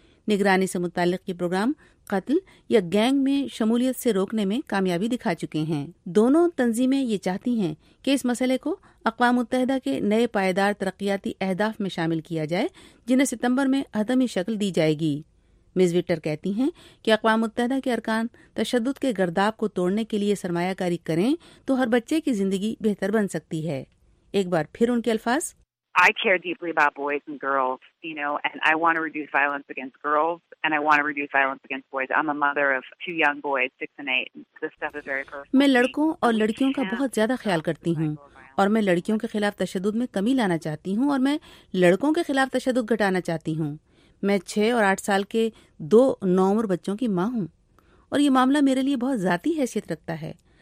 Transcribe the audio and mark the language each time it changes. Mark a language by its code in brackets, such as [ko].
[ur] نگرانی سے متعلق یہ پروگرام قتل یا گینگ میں شمولیت سے روکنے میں کامیابی دکھا چکے ہیں۔ دونوں تنظیمیں یہ چاہتی ہیں کہ اس مسئلے کو اقوام متحدہ کے نئے پائیدار ترقیاتی اہداف میں شامل کیا جائے جنہیں ستمبر میں حتمی شکل دی جائے گی۔ مز وٹر کہتی ہیں کہ اقوام متحدہ کے ارکان تشدد کے گرداب کو توڑنے کے لیے سرمایہ کاری کریں تو ہر بچے کی زندگی بہتر بن سکتی ہے۔ ایک بار پھر ان کے الفاظ، [en] I care deeply about boys and girls, you know, and I want to reduce violence against girls and I want to reduce violence against boys. I'm a mother of two young boys, 6 and 8. This stuff is very personal. [ur] میں لڑکوں اور لڑکیوں کا بہت زیادہ خیال کرتی ہوں اور میں لڑکیوں کے خلاف تشدد میں کمی لانا چاہتی ہوں اور میں لڑکوں کے خلاف تشدد گھٹانا چاہتی ہوں۔ میں 6 اور 8 سال کے 2 نوعمر بچوں کی ماں ہوں اور یہ معاملہ میرے لیے بہت ذاتی حیثیت رکھتا ہے۔